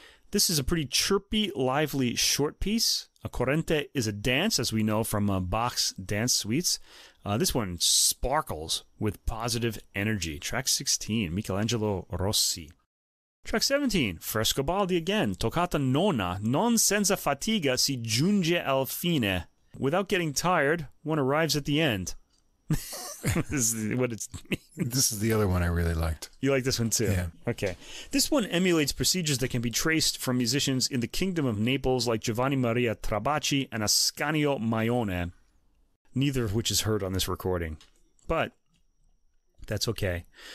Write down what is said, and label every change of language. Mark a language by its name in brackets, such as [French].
[English] This is a pretty chirpy, lively, short piece. A corrente is a dance, as we know from Bach's dance suites. This one sparkles with positive energy. Track 16, Michelangelo Rossi. Track 17, Frescobaldi again. [Italian] Toccata nona, non senza fatica si giunge al fine. [English] Without getting tired, one arrives at the end. This is the other one I really liked. You like this one too? Yeah. Okay. This one emulates procedures that can be traced from musicians in the Kingdom of Naples like Giovanni Maria Trabacci and Ascanio Maione, neither of which is heard on this recording. But That's okay.